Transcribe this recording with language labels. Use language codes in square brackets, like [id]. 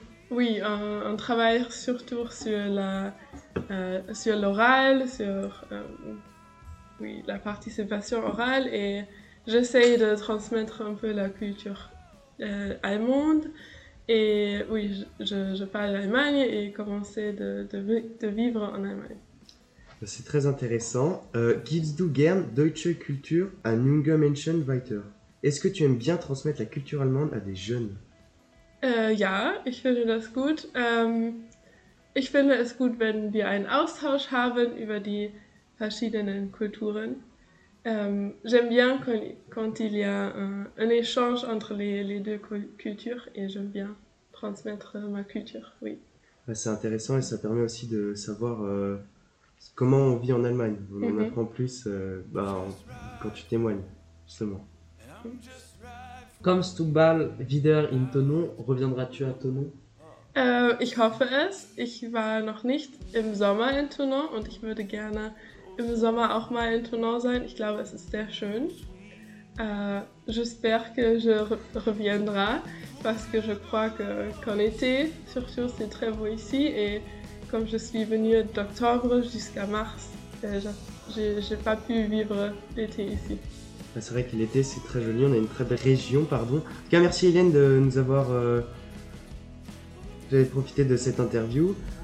[fr] Oui, on travaille surtout sur sur l'oral, sur oui, la participation orale et j'essaye de transmettre un peu la culture allemande et oui, je parle d'Allemagne et commencer de vivre en Allemagne. C'est très intéressant. [de] Gibst du gern deutsche Kultur an junge Menschen weiter? [fr] Est-ce que tu aimes bien transmettre la culture allemande à des jeunes? [de] Ja, ich finde das gut. Ich finde es gut, wenn wir einen Austausch haben über die verschiedenen Kulturen. [fr] J'aime bien quand il y a un échange entre les deux cultures et j'aime bien transmettre ma culture, oui. C'est intéressant et ça permet aussi de savoir comment on vit en Allemagne. On en apprend plus quand tu témoignes, justement. [de] Kommst du bald wieder in Thonon? [fr] Reviendras-tu à Thonon? [de] Ich hoffe es. Ich war noch nicht im Sommer in Thonon und ich würde gerne im Sommer auch mal in Thonon sein. Ich glaube, es ist sehr schön. [fr] J'espère que je reviendrai parce que je crois que qu'en été, surtout, c'est très beau ici et comme je suis venue d'octobre jusqu'à mars, j'ai pas pu vivre l'été ici. C'est vrai que l'été c'est très joli, on a une très belle région, pardon. En tout cas, merci Hélène de nous avoir de profiter de cette interview.